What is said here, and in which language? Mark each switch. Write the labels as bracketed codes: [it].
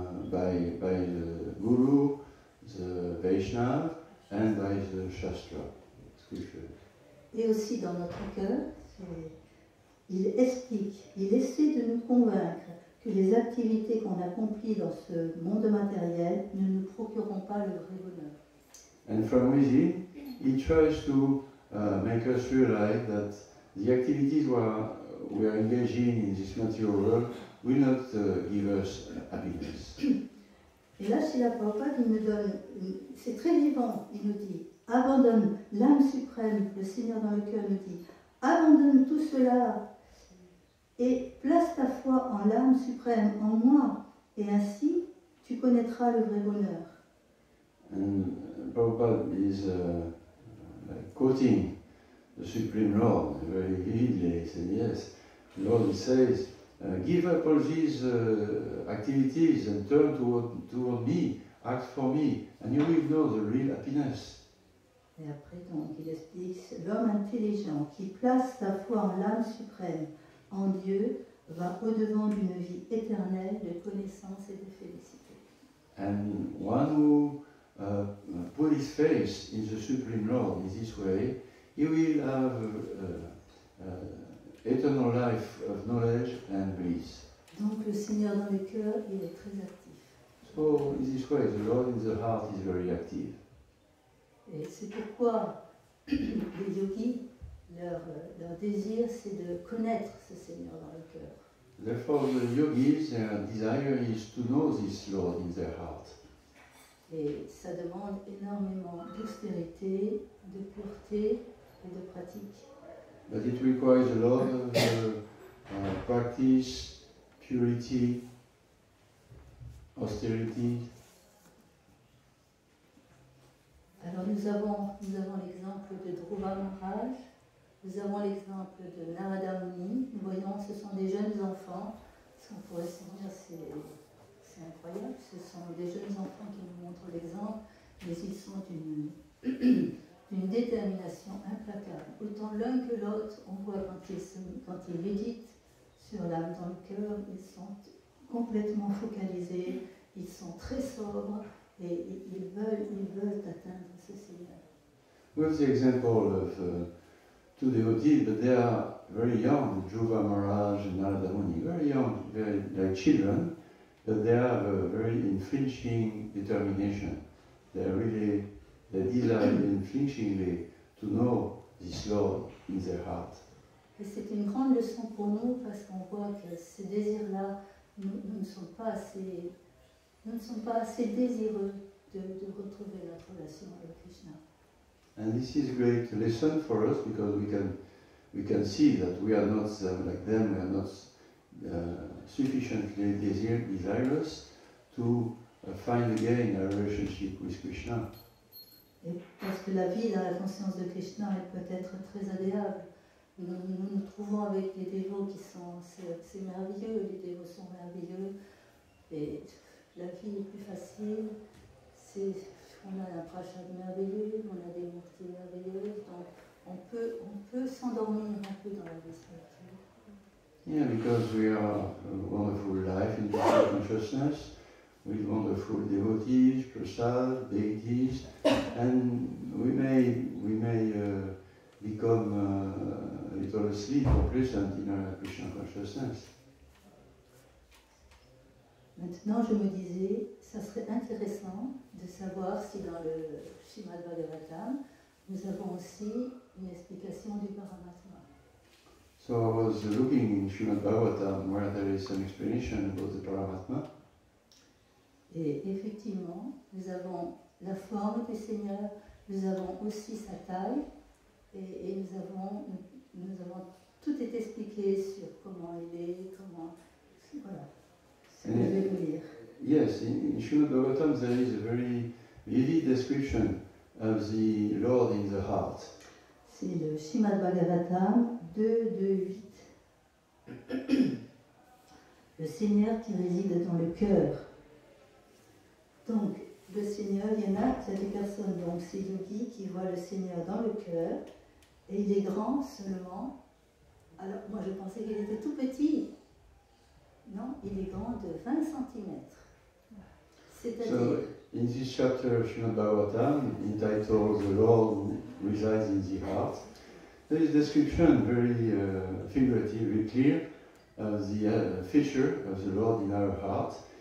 [en] By the Guru, the Vaishnava, and by the Shastra, scripture. [fr] Et aussi dans notre cœur, il explique, il essaie de nous convaincre que les activités qu'on accomplit dans ce monde matériel ne nous procureront pas le vrai bonheur. [en] And from within, he tries to make us realize that the activities we are engaging in this material world will not give us happiness. [fr] Et là, Srila Prabhupada, il nous donne, c'est très vivant, il nous dit, abandonne l'âme suprême, le Seigneur dans le cœur nous dit, abandonne tout cela et place ta foi en l'âme suprême, en moi, et ainsi tu connaîtras le vrai bonheur. [en] And Prabhupada is quoting the Supreme Lord, very vividly, saying yes. Lord says, give up all these activities and turn toward me, act for me, and you will know the real happiness. [fr] Et après, donc, il explique, l'homme intelligent qui place sa foi en l'âme suprême, en Dieu, va au-devant d'une vie éternelle de connaissance et de félicité. [en] And one who put his faith in the Supreme Lord in this way, he will have eternal life of knowledge and bliss. [fr] Donc le Seigneur dans le cœur, il est très actif. [en] So in this way, the Lord in the heart is very active. [fr] Et c'est pourquoi les yogis, leur désir, c'est de connaître ce Seigneur dans le cœur. [en] Therefore, the yogis, their desire is to know this Lord in their heart. [fr] Et ça demande énormément d'austérité, de pureté et de pratique. [en] But it requires a lot of practice, purity, austerity. [fr] Alors nous avons l'exemple de Dhruva Maharaj, nous avons l'exemple de Narada Muni. Nous voyons, ce sont des jeunes enfants. Ce qu'on pourrait se dire, c'est incroyable. Ce sont des jeunes enfants qui nous montrent l'exemple, mais ils sont une détermination implacable. Autant l'un que l'autre, on voit quand ils méditent sur l'âme dans le cœur, ils sont complètement focalisés, ils sont très sobres et ils veulent atteindre ce Seigneur. [en] With the example of two devotees, but they are very young, Dhruva Maharaj and Narada Muni, very young, very like children, but they have a very unflinching determination. They are really they desire unflinchingly to know this Lord in their heart. [fr] Et c'est une grande leçon pour nous parce qu'on voit que ces désirs-là, nous ne sommes pas assez désireux de retrouver notre relation avec Krishna. [en] And this is a great lesson for us because we can see that we are not like them, we are not sufficiently desirous to find again our relationship with Krishna. [fr] Et parce que la vie dans la conscience de Krishna est peut-être très agréable. Nous nous trouvons avec des dévots qui sont assez merveilleux, les dévots sont merveilleux, et la vie est plus facile, on a un prachat merveilleux, on a des mortiers merveilleuses, donc on peut s'endormir un peu dans la vie spirituelle. [en] Yeah, because we are a wonderful life in the consciousness. With wonderful devotees, prasad, deities, and we may become a little asleep or pleasant in our Krishna consciousness. [fr] Maintenant, je me disais, ça serait intéressant de savoir si dans le Srimad Bhagavatam, nous avons aussi une explication du Paramatma. [en] So I was looking in Srimad Bhagavatam where there is an explanation about the Paramatma. [fr] Et effectivement, nous avons la forme du Seigneur, nous avons aussi sa taille, et nous avons tout est expliqué sur comment il est, comment... Voilà, ce que je vais vous lire. [en] Yes, in Srimad Bhagavatam there is a very vivid description of the Lord in the heart. [fr] C'est le Srimad Bhagavatam 2.2.8. Le Seigneur qui réside dans le cœur. Donc, le Seigneur, il y en a, il y a des personnes, donc ces yogis qui voient le Seigneur dans le cœur, et il est grand seulement. Alors, moi je pensais qu'il était tout petit. Non, il est grand de 20 cm. [en] So, in this chapter of Srimad Bhagavatam, entitled The Lord Resides in the Heart, there is a description, very figurative, very clear, of the feature of the Lord in our heart.